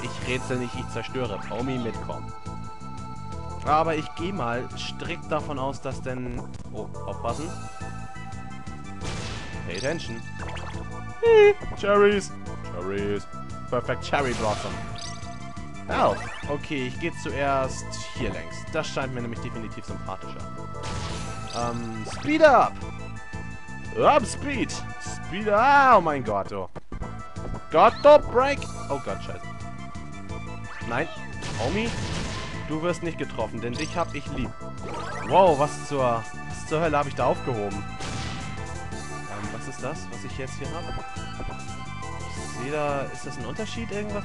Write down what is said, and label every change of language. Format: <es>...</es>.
<de>Ich rätsel nicht, ich zerstöre. Pomi, mitkommen. Aber ich gehe mal strikt davon aus, dass denn... Oh, aufpassen.</de> <en>Pay attention. Cherries. Perfect cherry blossom. Health.</en> <de>Okay, ich gehe zuerst hier längs. Das scheint mir nämlich definitiv sympathischer.</de> <en>Speed up. Up speed. Speed up.</en> <de>Oh mein Gott, oh. Gott, Top Break! Oh Gott, scheiße. Nein, Homie, du wirst nicht getroffen, denn dich hab ich lieb. Wow, was zur Hölle habe ich da aufgehoben? Was ist das, was ich jetzt hier habe? Ist das ein Unterschied irgendwas?</de>